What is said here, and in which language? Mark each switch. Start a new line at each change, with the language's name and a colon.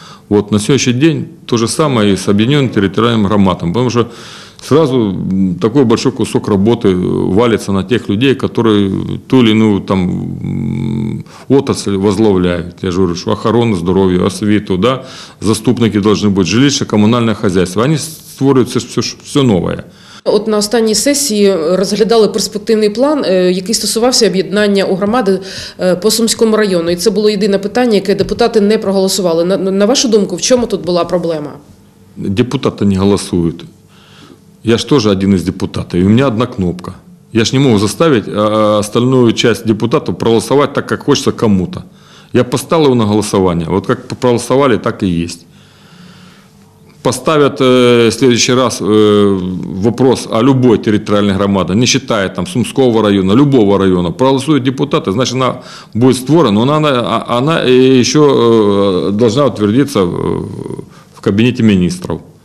Russian: Вот на сегодняшний день то же самое и с объединенным территориальным громадом, потому что сразу такой большой кусок работы валится на тех людей, которые ту или иную там отрасль возглавляют. Я же говорю, что охрану, здоровье, освиту, да, заступники должны быть, жилище, коммунальное хозяйство, они створюют все новое.
Ukrainian: От на останній сесії розглядали перспективний план, який стосувався об'єднання у громади по Сумському району. І це було єдине питання, яке депутати не проголосували. На вашу думку, в чому тут була проблема? Депутати не голосують. Я ж теж один із депутатів. У мене одна кнопка. Я ж не можу заставити остальну частину депутатів проголосувати так, як хочеться кому-то. Я поставив на голосування. От як проголосували, так і є.
Russian: Поставят в следующий раз вопрос о любой территориальной громаде, не считая там Сумского района, любого района, проголосуют депутаты, значит она будет створена, но она еще должна утвердиться в кабинете министров.